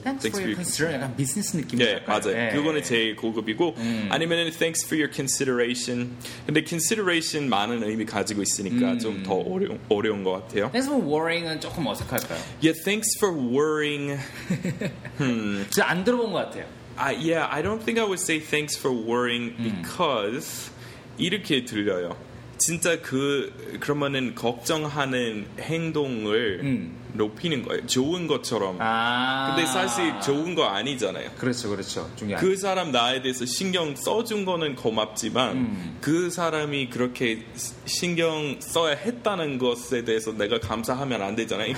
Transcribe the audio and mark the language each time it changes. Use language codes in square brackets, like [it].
[en] Thanks for your consideration. [ko] 약간 비즈니스 느낌이 약간. 네, 맞아요. 예. 그거는 제일 고급이고. 아니면은 [en] thanks for your consideration. [ko] 근데 consideration 많은 의미 가지고 있으니까 좀 더 어려운 것 같아요. Thanks for worrying은 조금 어색할까요? [en] Yeah, thanks for worrying. [ko] 진짜 안 들어본 것 같아요. [en] Yeah, I don't think I would say thanks for worrying because [ko] 이렇게 들려요. 진짜 그러면은 걱정하는 행동을 높이는 거예요. 좋은 것처럼. 아~ 근데 사실 좋은 거 아니잖아요. 그렇죠, 그렇죠. 중요한. 그 사람 나에 대해서 신경 써준 거는 고맙지만 그 사람이 그렇게 신경 써야 했다는 것에 대해서 내가 감사하면 안 되잖아요.